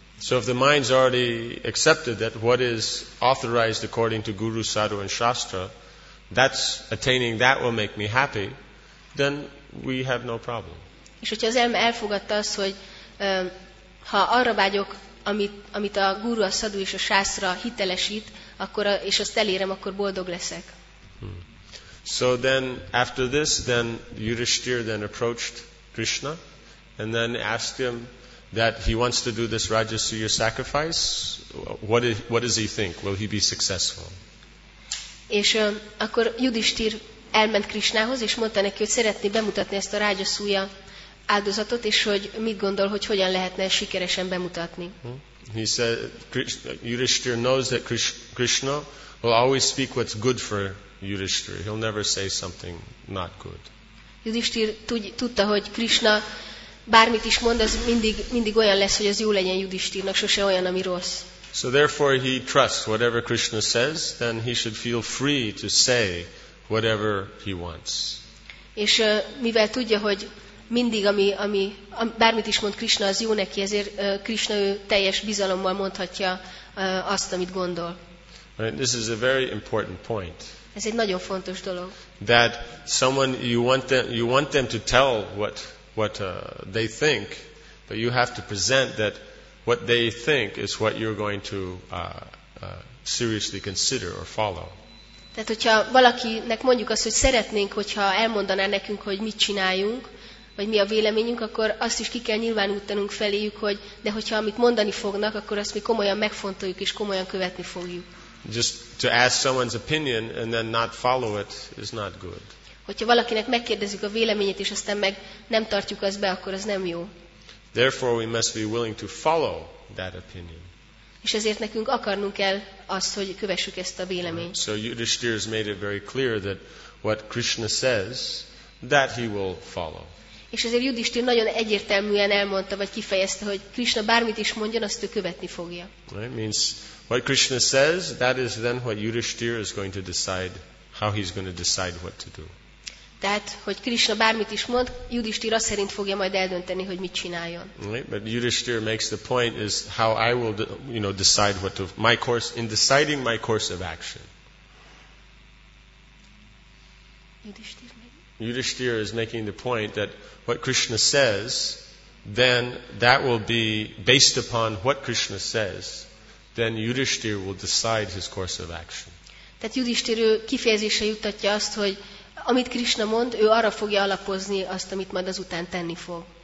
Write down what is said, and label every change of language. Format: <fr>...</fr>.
<en>So if the mind's already accepted that what is authorized according to Guru, Sadhu and Shastra, that's attaining, that will make me happy, then we have no problem.</en> <hu>És hogyha az elme elfogadta azt, hogy ha arra vágyok, amit a Guru, a Sadhu és a Shastra hitelesít, akkor és azt elérem, akkor boldog leszek.</hu> <en>So then, after this, then Yudhishthir then approached Krishna, and then asked him that he wants to do this Rajasuya sacrifice. What does he think? Will he be successful?</en> <hu>És akkor Yudhishthir elment Krishnához, és mondta neki, hogy szeretné bemutatni ezt a Rajasuya áldozatot, és hogy mit gondol, hogy hogyan lehetne sikeresen bemutatni.</hu> <en>He said, Yudhishthir knows that Krishna will always speak what's good for Yudhishthir. He'll never say something not good.</en> <hu>Yudhishthir tudta, hogy Krishna bármit is mond, az mindig olyan lesz, hogy az jó legyen Yudhishthirnak, sose olyan, ami rossz.</hu> <en>So therefore he trusts whatever Krishna says, then he should feel free to say whatever he wants.</en> <hu>És mivel tudja, hogy mindig ami bármit is mond Krishna, az jó neki, ezért Krishna ő teljes bizalommal mondhatja azt, amit gondol.</hu> <en>Right, this is a very important point.</en> <hu>Ez egy nagyon fontos dolog.</hu> <en>That someone you want them to tell what they think, but you have to present that what they think is what you're going to seriously consider or follow.</en> <hu>Tehát hogyha valakinek mondjuk azt, hogy szeretnénk, hogyha elmondaná nekünk, hogy mit csináljunk, vagy mi a véleményünk, akkor azt is ki kell nyilvánítanunk feléjük, hogy de hogyha amit mondani fognak, akkor azt mi komolyan megfontoljuk és komolyan követni fogjuk.</hu> <en>Just to ask someone's opinion and then not follow it is not good.</en> <hu>Hogyha valakinek megkérdezzük a véleményét és aztán meg nem tartjuk azt be, akkor az nem jó.</hu> <en>Therefore we must be willing to follow that opinion.</en> <hu>És ezért nekünk akarnunk kell azt, hogy kövessük ezt a véleményt.</hu> <en>So Yudhishthir has made it very clear that what Krishna says, that he will follow.</en> <hu>És ezért Yudhishthir nagyon egyértelműen elmondta, vagy kifejezte, hogy Krishna bármit is mondjon, azt ő követni fogja.</hu> <en>Right, means what Krishna says, that is then what Yudhishthir is going to decide, how he's going to decide what to do.</en> <hu>Tehát, hogy Krishna bármit is mond, Yudhishthir azt szerint fogja majd eldönteni, hogy mit csináljon.</hu> <en>Right, but Yudhishthir makes the point is how I will, you know, decide what to, my course, in deciding my course of action. Yudhishthir is making the point that what Krishna says, then that will be based upon what Krishna says, then Yudhishthir will decide his course of action.</en> <hu>Tehát Yudhishthir kifejezése juttatja azt, hogy amit Krishna mond, ő arra fogja alapozni azt, amit majd azután tenni fog.</hu>